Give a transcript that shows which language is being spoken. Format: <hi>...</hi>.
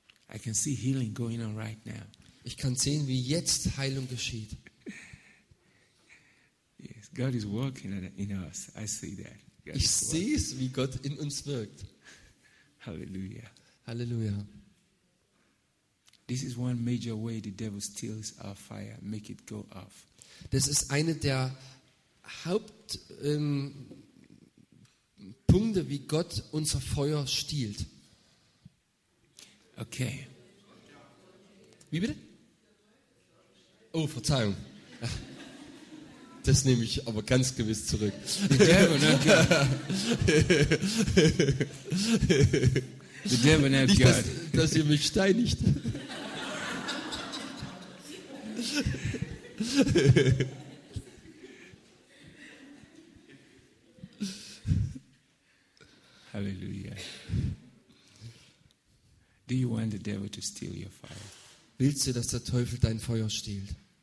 <en>I can see healing going on right now.</en> <de>Ich kann sehen, wie jetzt Heilung geschieht.</de> <en>Yes, God is working in us. I see that.</en> <de>Ich sehe es, wie Gott in uns wirkt.</de> <en>Hallelujah.</en> <de>Hallelujah.</de> <en>This is one major way the devil steals our fire, make it go off.</en> <de>Das ist eine der Hauptpunkte, wie Gott unser Feuer stiehlt.</de> <en>Okay.</en> <de>Wie bitte? Oh, Verzeihung. Das nehme ich aber ganz gewiss zurück.</de> <en>The devil not God.</en> <de>Nicht, dass ihr mich steinigt. Halleluja.</de> <en>Do you want the devil to steal your fire?</en> <de>Willst du, dass der Teufel dein Feuer stiehlt?</de>